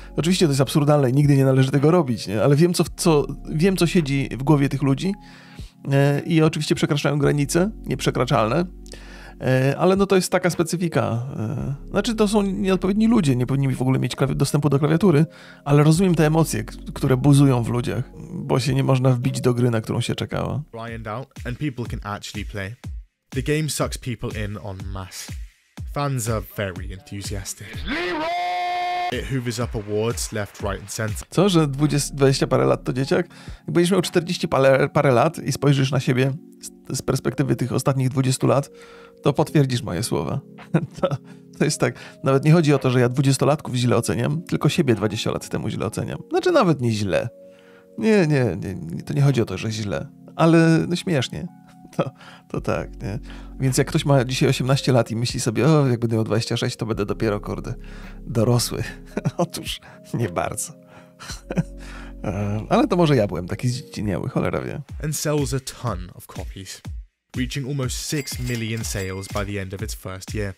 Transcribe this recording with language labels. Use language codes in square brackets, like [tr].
[pl] Oczywiście to jest absurdalne i nigdy nie należy tego robić, nie? Ale wiem co siedzi w głowie tych ludzi i oczywiście przekraczają granice nieprzekraczalne. Ale no to jest taka specyfika. Znaczy to są nieodpowiedni ludzie, nie powinni w ogóle mieć dostępu do klawiatury, ale rozumiem te emocje, które buzują w ludziach, bo się nie można wbić do gry, na którą się czekało. [en] Ryan out and people can actually play. The game sucks people in on mass. Fans are very enthusiastic. It hoovers up awards left, right and center. [pl] Co, że 20 parę lat to dzieciak? Jakbyś miał 40 parę lat i spojrzysz na siebie z perspektywy tych ostatnich 20 lat, to potwierdzisz moje słowa. To jest tak, nawet nie chodzi o to, że ja 20-latków źle oceniam, tylko siebie 20 lat temu źle oceniam. Znaczy nawet nie źle. Nie, to nie chodzi o to, że źle. Ale no śmiesznie. To tak, nie? Więc jak ktoś ma dzisiaj 18 lat i myśli sobie, o, jak będę miał 26, to będę dopiero, kurde, dorosły. Otóż nie bardzo. Ale to może ja byłem taki zdziwiały, cholera wie. [en] And sells a ton of copies, reaching almost 6 million sales by the end of its first year.